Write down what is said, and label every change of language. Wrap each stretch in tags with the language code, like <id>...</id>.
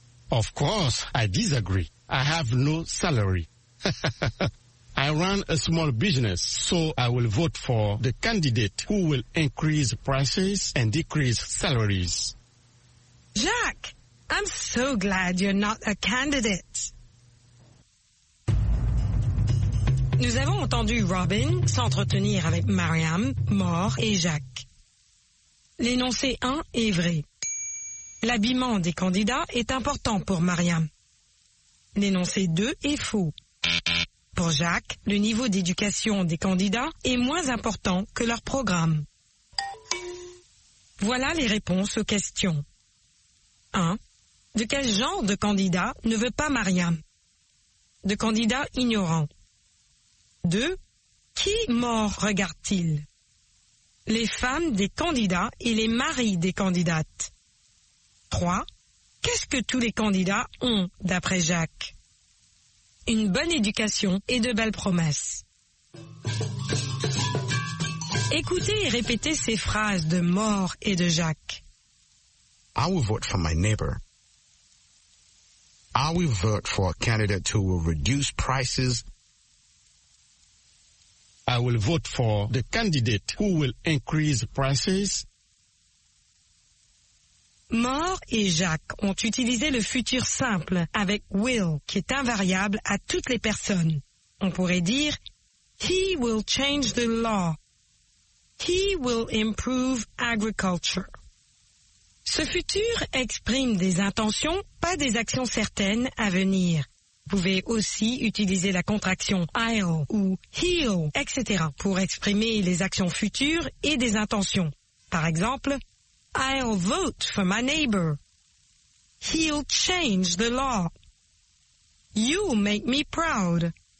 <en>Of course, I disagree. I have no salary. I run a small business, so I will vote for the candidate who will increase prices and decrease salaries. Jacques, I'm so glad you're not a candidate.</en> <fr>Nous avons entendu Robin s'entretenir avec Mariam, Maur et Jacques. L'énoncé 1 est vrai. L'habillement des candidats est important pour Mariam. L'énoncé 2 est faux. Pour Jacques, le niveau d'éducation des candidats est moins important que leur programme. Voilà les réponses aux questions. 1. De quel genre de candidat ne veut pas Mariam? De candidat ignorant. 2. Qui mort regarde-t-il? Les femmes des candidats et les maris des candidates. 3. Qu'est-ce que tous les candidats ont, d'après Jacques? Une bonne éducation et de belles promesses. Écoutez et répétez ces phrases de Mort et de Jacques.</fr> <en>I will vote for my neighbor. I will vote for a candidate who will reduce prices. I will vote for the candidate who will increase prices.</en> <fr>Maur et Jacques ont utilisé le futur simple avec will, qui est invariable à toutes les personnes. On pourrait dire,</fr> <en>he will change the law. He will improve agriculture.</en> <fr>Ce futur exprime des intentions, pas des actions certaines à venir. Vous pouvez aussi utiliser la contraction I'll ou he'll, etc. pour exprimer les actions futures et des intentions. Par exemple,</fr> <en>I'll vote for my neighbor. He'll change the law. You'll make me proud.</en>